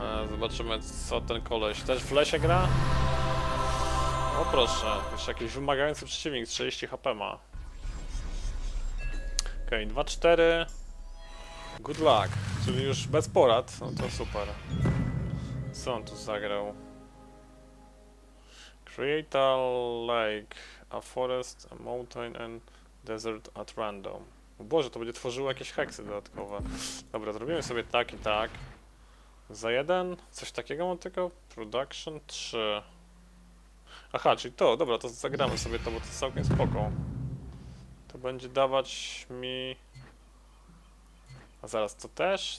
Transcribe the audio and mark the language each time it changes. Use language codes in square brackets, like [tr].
[pl] Zobaczymy, co ten koleś też w lesie gra. O proszę, jeszcze jakiś wymagający przeciwnik, 30 HP ma. Okej, 2-4. [en] Good luck, [pl] czyli już bez porad. No to super. Co on tu zagrał? [en] Create a lake, a forest, a mountain and desert at random. [pl] O Boże, to będzie tworzyło jakieś heksy dodatkowe. Dobra, zrobimy sobie tak i tak. Za jeden, coś takiego mam tylko. Production 3. Aha, czyli to, dobra, to zagramy sobie to, bo to jest całkiem spoko. To będzie dawać mi. A zaraz to też?